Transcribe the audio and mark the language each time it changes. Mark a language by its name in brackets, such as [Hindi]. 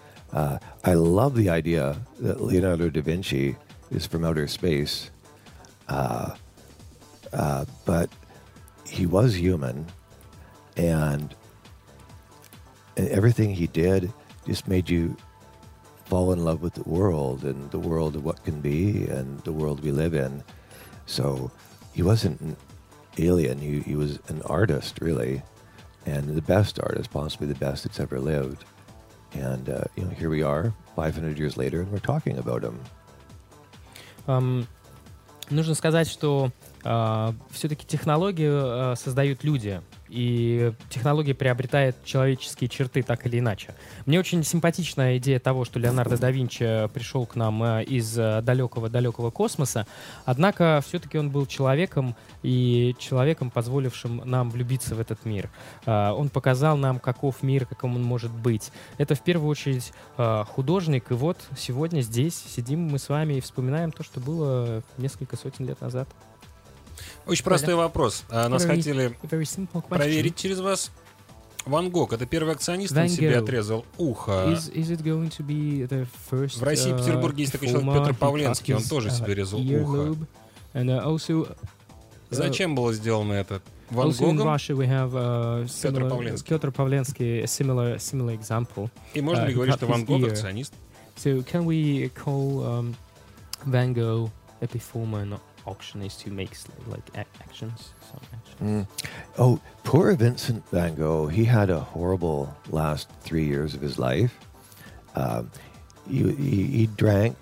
[English] I love the idea that Leonardo da Vinci is from outer space, but he was human, and everything he did just made you fall in love with the world and the world of what can be and the world we live in. So he wasn't an alien, he was an artist, really, and the best artist, possibly the best that's ever lived. And you know, here we are 500 years later and we're talking about him. [Russian] Нужно сказать, что все-таки технологии создают люди. И технология приобретает человеческие черты так или иначе. Мне очень симпатична идея того, что Леонардо да Винчи пришел к нам из далекого-далекого космоса. Однако все-таки он был человеком, и человеком, позволившим нам влюбиться в этот мир. Он показал нам, каков мир, каким он может быть. Это в первую очередь художник. И вот сегодня здесь сидим мы с вами и вспоминаем то, что было несколько сотен лет назад. Очень простой вопрос. Нас хотели проверить через вас. Ван Гог — это первый акционист, он себе отрезал ухо. В России и Петербурге есть такой человек, Петр Павленский, он тоже себе резал ухо. Зачем было сделано это? Ван Гогом? [English] Петр Павленский. Similar example. [Russian] И можно ли говорить, что Ван Гог — акционист? [English] So can we call Van Gogh a performer, not auction is to make actions. Some actions. Mm. Oh, poor Vincent Van Gogh. He had a horrible last 3 years of his life. He drank.